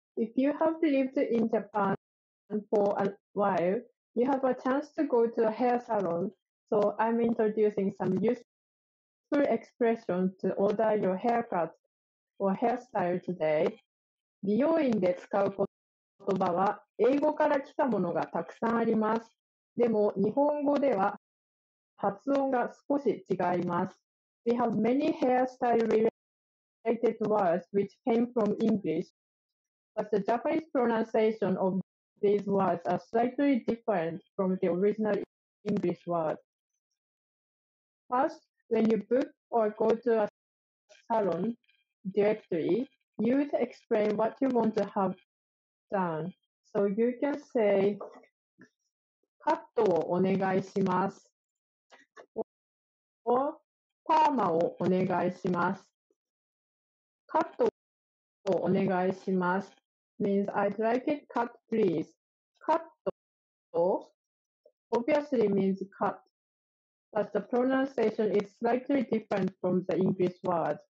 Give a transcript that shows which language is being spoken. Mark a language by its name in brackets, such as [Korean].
[English] If you have lived in Japan for a while, you have a chance to go to a hair salon. So I'm introducing some useful expressions to order your haircut or hairstyle today. [Japanese] 美容院で使う言葉は英語から来たものがたくさんあります。でも日本語では発音が少し違います。 [English] We have many hairstyle related words which came from English, but the Japanese pronunciation of these words are slightly different from the original English word. First, when you book or go to a salon directory, you would explain what you want to have done. So you can say, [Japanese] カットをお願いします。 [English] Or, [Japanese] パーマをお願いします。カットをお願いします。 [English] means I'd like it cut, please. カット obviously means cut, but the pronunciation is slightly different from the English word.